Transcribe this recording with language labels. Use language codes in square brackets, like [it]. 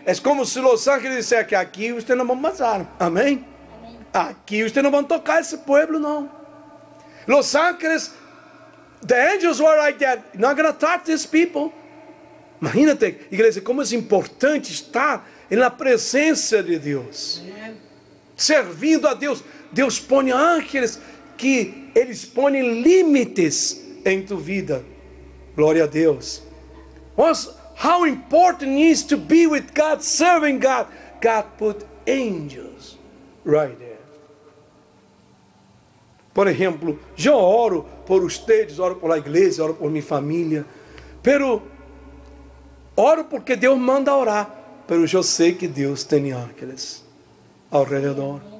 [pt] É como se os ángeles dissessem que aqui vocês não vão passar. Amém? Aqui vocês não vão tocar esse povo, não. Os ángeles. [en] The angels were like that. Not going to touch these people. [pt] Imagínate, igreja, como é importante estar na presença de Deus. Servindo a Deus. Deus põe anjos que eles põem limites em tua vida. Glória a Deus. [en] How important it is to be with God, serving God. God put angels right there. [pt] Por exemplo, eu oro por vocês, oro pela igreja, oro por minha família. Pero oro porque Deus manda orar. Pero eu sei que Deus tem anjos ao redor.